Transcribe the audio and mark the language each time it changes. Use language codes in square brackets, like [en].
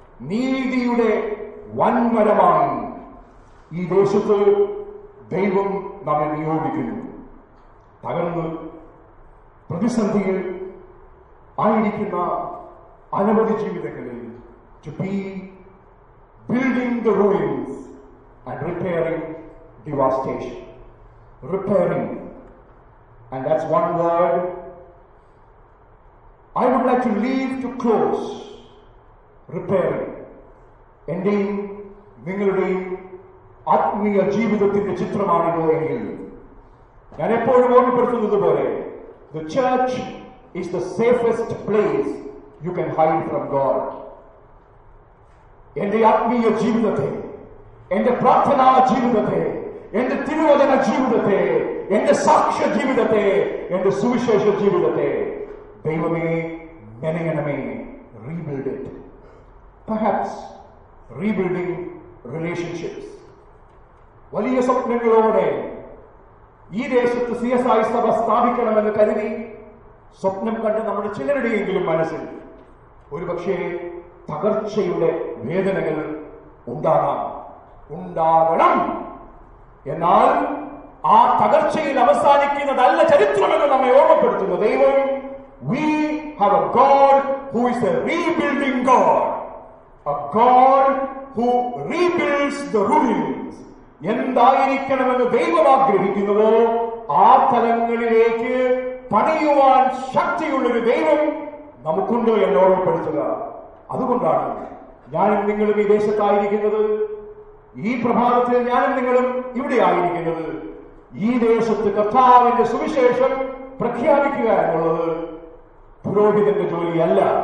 [ml] നീതിയുടെ വൻമരമായി ഈ ദേശത്ത് ദൈവം നമ്മെ നിയോഗിക്കുന്നു. തകർന്ന് പ്രതിസന്ധിയിൽ ആയിരിക്കുന്ന അനവധി ജീവിതങ്ങളിൽ [en] to be building the ruins and repairing devastation. Repairing. And that's one word I would like to leave to close. Repairing. [ml] എന്റെയും നിങ്ങളുടെയും ആത്മീയ ജീവിതത്തിന്റെ ചിത്രമാണിതോ എങ്കിൽ ഞാൻ എപ്പോഴും ഓർമ്മപ്പെടുത്തുന്നത് പോലെ [en] The church is the safest place you can hide from God. [ml] എന്റെ ആത്മീയ ജീവിതത്തെ, എന്റെ പ്രാർത്ഥനാ ജീവിതത്തെ, എന്റെ തിരുവചന ജീവിതത്തെ, എന്റെ സാക്ഷ്യ ജീവിതത്തെ, എന്റെ സുവിശേഷ ജീവിതത്തെ ദൈവമേ നനയണമേ. [en] Rebuild it. Perhaps rebuilding relationships. [ml] വലിയ സ്വപ്നങ്ങളോടെ ഈ ദേശത്ത് സി എസ് ഐ സഭ സ്ഥാപിക്കണമെന്ന് കരുതി സ്വപ്നം കണ്ട് നമ്മുടെ ചിലരുടെയെങ്കിലും മനസ്സിൽ ഒരുപക്ഷെ തകർച്ചയുടെ വേദനകൾ ഉണ്ടാകാം, ഉണ്ടാകണം. എന്നാൽ ആ തകർച്ചയിൽ അവസാനിക്കുന്നതല്ല ചരിത്രമെന്ന് നമ്മെ ഓർമ്മപ്പെടുത്തുന്നു ദൈവം. [en] We have a God who is a rebuilding God. A God who rebuilds the ruins. [ml] എന്തായിരിക്കണമെന്ന് ദൈവം ആഗ്രഹിക്കുന്നുവോ ആ തലങ്ങളിലേക്ക് പണിയുവാൻ ശക്തിയുള്ളൊരു ദൈവം നമുക്കുണ്ട് എന്ന് ഓർമ്മപ്പെടുത്തുക. അതുകൊണ്ടാണ് ഞാനും നിങ്ങളും ഈ ദേശത്തായിരിക്കുന്നത്, ഈ പ്രഭാതത്തിൽ ഞാനും നിങ്ങളും ഇവിടെ ആയിരിക്കുന്നത്, ഈ ദേശത്ത് കർത്താവിന്റെ സുവിശേഷം പ്രഖ്യാപിക്കുക എന്നുള്ളത് പുരോഹിതന്റെ ജോലിയല്ല.